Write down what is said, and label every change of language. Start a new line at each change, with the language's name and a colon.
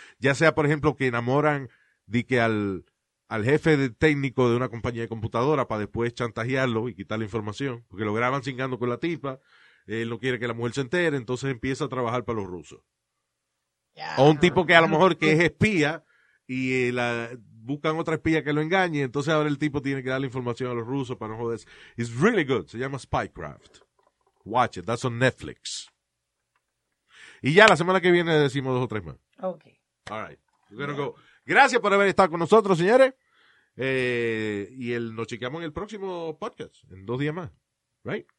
Spanish: Ya sea, por ejemplo, que enamoran de que al jefe de técnico de una compañía de computadora para después chantajearlo y quitar la información, porque lo graban chingando con la tipa, él no quiere que la mujer se entere, entonces empieza a trabajar para los rusos.
English: Yeah.
Spanish: O un tipo que a lo mejor que es espía y la buscan otra espía que lo engañe. Entonces ahora el tipo tiene que darle información a los rusos para no joder.
English: It's really good.
Spanish: Se llama
English: Spycraft. Watch it. That's on Netflix.
Spanish: Y ya la semana que viene decimos dos o tres más.
English: Ok. All right. We're gonna go.
Spanish: Gracias por haber estado con nosotros, señores. Y nos chequeamos en el próximo podcast. En dos días más.
English: Right?